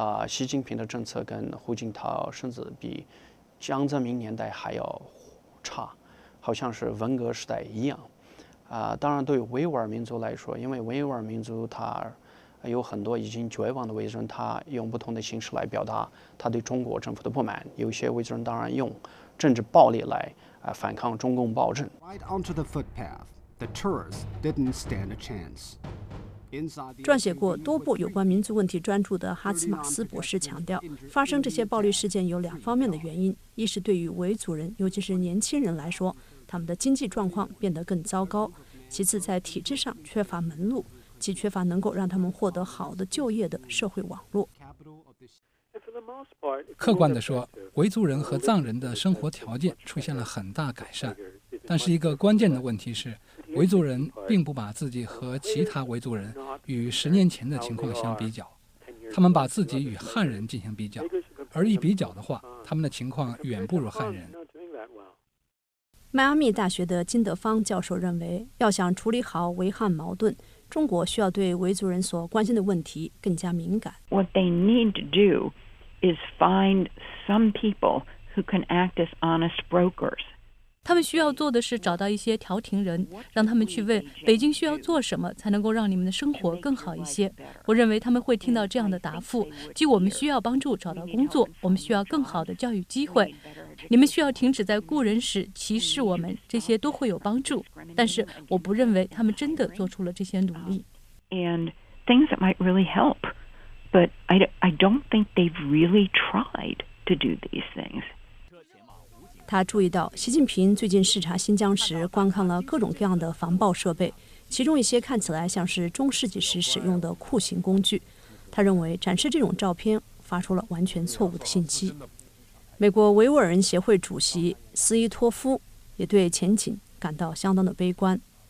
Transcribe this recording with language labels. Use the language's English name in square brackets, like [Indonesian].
[Chinese] 习近平的政策跟胡锦涛甚至比江泽民年代还要差，好像是文革时代一样。当然对维吾尔民族来说，因为维吾尔民族他有很多已经绝望的维族人，他用不同的形式来表达他对中国政府的不满。有些维族人当然用政治暴力来反抗中共暴政。 [English] Right onto the footpath, the tourists didn't stand a chance. [Chinese] 撰写过多部有关民族问题专著的哈茨马斯博士强调，发生这些暴力事件有两方面的原因：一是对于维族人，尤其是年轻人来说，他们的经济状况变得更糟糕；其次，在体制上缺乏门路，既缺乏能够让他们获得好的就业的社会网络。客观地说，维族人和藏人的生活条件出现了很大改善，但是一个关键的问题是，维族人并不把自己和其他维族人与十年前的情况相比较，他们把自己与汉人进行比较，而一比较的话，他们的情况远不如汉人。迈阿密大学的金德芳教授认为，要想处理好维汉矛盾，中国需要对维族人所关心的问题更加敏感。 [English] What they need to do is find some people who can act as honest brokers. [Chinese] 他们需要做的是找到一些调停人，让他们去问北京需要做什么才能够让你们的生活更好一些。我认为他们会听到这样的答复，即我们需要帮助找到工作，我们需要更好的教育机会，你们需要停止在雇人时歧视我们，这些都会有帮助。但是我不认为他们真的做出了这些努力。 [English] And things that might really help, but I don't think they've really tried to do these things. [Chinese] 他注意到，习近平最近视察新疆时，观看了各种各样的防暴设备，其中一些看起来像是中世纪时使用的酷刑工具。他认为展示这种照片发出了完全错误的信息。美国维吾尔人协会主席斯伊托夫也对前景感到相当的悲观。